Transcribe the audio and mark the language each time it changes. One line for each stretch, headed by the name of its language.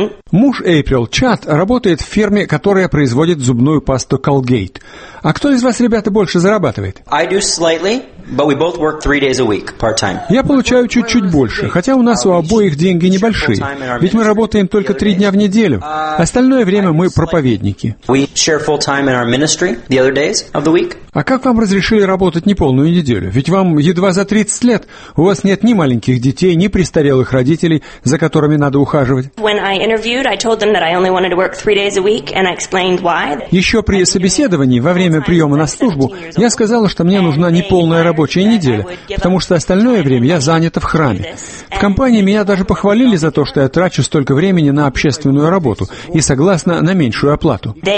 Russian: Муж Эйприл, Чад, работает в фирме, которая производит зубную пасту Colgate. А кто из вас, ребята, больше зарабатывает?
English: I do slightly. But we both work 3 days a week, part-time.
Russian: Я получаю чуть-чуть больше, хотя у нас у обоих деньги небольшие, ведь мы работаем только 3 дня в неделю. Остальное время мы проповедники.
English: We share full-time in our ministry the other days of the week.
Russian: А как вам разрешили работать неполную неделю? Ведь вам едва за 30 лет. У вас нет ни маленьких детей, ни престарелых родителей, за которыми надо ухаживать.
English: When I interviewed, I told them that I only wanted to work 3 days a week, and I explained why.
Russian: Еще при собеседовании во время приема на службу я сказала, что мне нужна неполная работа. Рабочая неделя, потому что остальное время я занята в храме. В компании меня даже похвалили за то, что я трачу столько времени на общественную работу и согласна на меньшую оплату.